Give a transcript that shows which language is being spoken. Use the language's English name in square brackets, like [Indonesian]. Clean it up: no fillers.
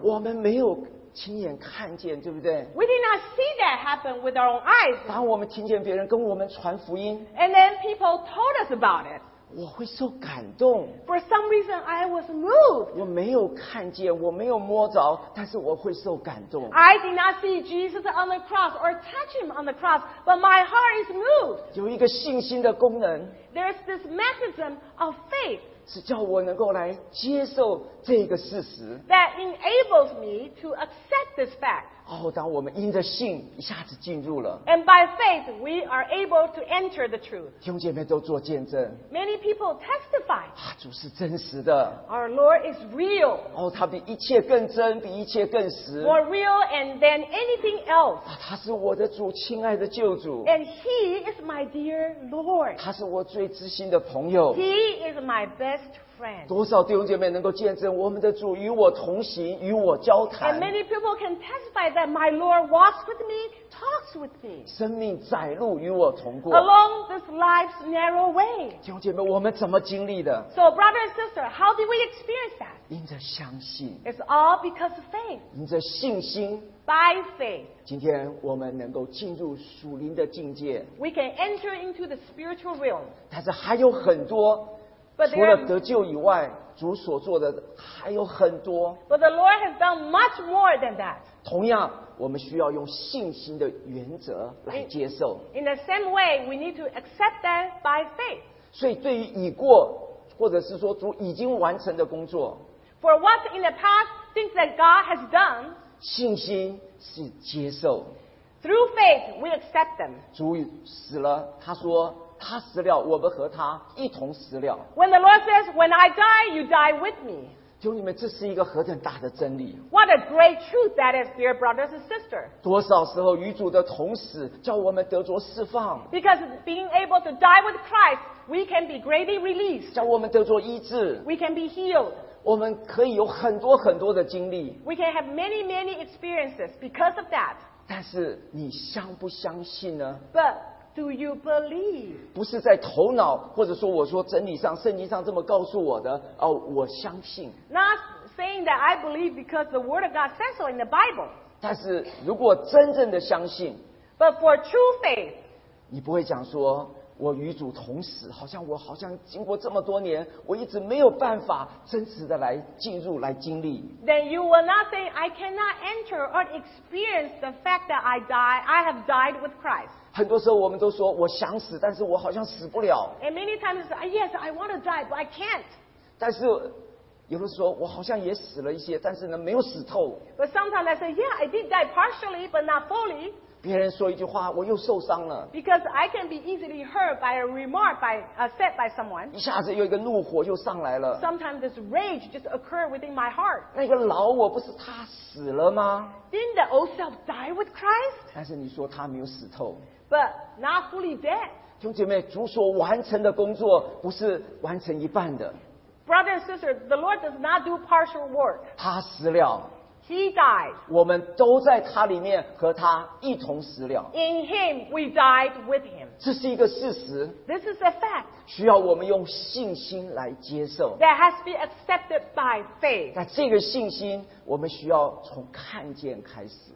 [Chinese] 我们没有亲眼看见，对不对 [English] ？We did not see that happen with our own eyes. [Chinese] 当我们听见别人跟我们传福音 [English] ，And then people told us about it. [Chinese] 我会受感动。 [English] For some reason, I was moved. [Chinese] 我没有看见，我没有摸着，但是我会受感动。 [English] I did not see Jesus on the cross or touch him on the cross, but my heart is moved. [Chinese] 有一个信心的功能。 [English] There's this mechanism of faith [Chinese] 是叫我能够来接受这个事实 [English] that enables me to accept this fact. [Chinese] 哦，当我们因着信一下子进入了 [English] And by faith, we are able to enter the truth. [Chinese] 弟兄姐妹都做见证 [English] Many people testify. [Chinese] 啊，主是真实的 [English] Our Lord is real. [Chinese] 哦，他比一切更真，比一切更实 [English] More real and than anything else. [Chinese] 啊，他是我的主，亲爱的救主 [English] And He is my dear Lord. [Chinese] 他是我最知心的朋友 [English] He is my best friend. [Chinese] 多少弟兄姐妹能够见证我们的主与我同行与我交谈 [English] And many people can testify that my Lord walks with me, talks with me. [Chinese] 生命窄路与我同过 [English] Along this life's narrow way. [Chinese] 弟兄姐妹我们怎么经历的 [English] So brother and sister, how did we experience that? [Chinese] 因着相信 [English] It's all because of faith. [Chinese] 因着信心 [English] By faith, [Chinese] 今天我们能够进入属灵的境界 [English] We can enter into the spiritual realm. [Chinese] 但是还有很多 除了得救以外主所做的还有很多 [English] But the Lord has done much more than that. [Chinese] 同样我们需要用信心的原则来接受 [English] In the same way, we need to accept that by faith. [Chinese] 所以对于已过或者是说主已经完成的工作 [English] For what in the past things that God has done, [Chinese] 信心是接受。 [English] Through faith, we accept them. [Chinese] 主死了，他说他死了，我们和他一同死了。 [English] When the Lord says, "When I die, you die with me." [Chinese] 弟兄姐妹，这是一个何等大的真理 [English] ！What a great truth that is, dear brothers and sisters. [Chinese] 多少时候与主的同死，叫我们得着释放 [English] ？Because being able to die with Christ, we can be greatly released. [Chinese] 叫我们得着医治 [English] ，we can be healed. [Chinese] 我们可以有很多很多的经历 [English] We can have many, many experiences because of that. [Chinese] 但是你相不相信呢 [English] But do you believe? [Chinese] 不是在头脑或者说我说真理上圣经上这么告诉我的、哦、我相信 [English] Not saying that I believe because the word of God says so in the Bible. [Chinese] 但是如果真正的相信 [English] But for true faith, [Chinese] 你不会讲说我与主同死，好像我好像经过这么多年，我一直没有办法真实的来进入来经历。 [English] Then you will not say I cannot enter or experience the fact that I die. I have died with Christ. [Chinese] 很多时候我们都说我想死，但是我好像死不了。 [English] And many times, yes, I want to die, but I can't. [Chinese] 但是有的时候我好像也死了一些，但是呢没有死透。 [English] But sometimes I say, yeah, I did die partially, but not fully. [Chinese] 别人说一句话，我又受伤了。 [English] Because I can be easily hurt by a remark by said by someone. [Chinese] 一下子又一个怒火又上来了。 [English] Sometimes this rage just occurred within my heart. [Chinese] 那个老我不是他死了吗？ [English] Didn't the old self die with Christ? [Chinese] 但是你说他没有死透。 [English] But not fully dead. [Chinese] 弟兄姐妹，主所完成的工作不是完成一半的。 [English] Brother and sister, the Lord does not do partial work. [Chinese] 他死了。 [English] He died. [Chinese] 我们都在他里面和他一同死了。 [English] In him, we died with him. [Chinese] 这是一个事实。 [English] This is a fact. [Chinese] 需要我们用信心来接受。 [English] That has to be accepted by faith. [Chinese] 那这个信心，我们需要从看见开始。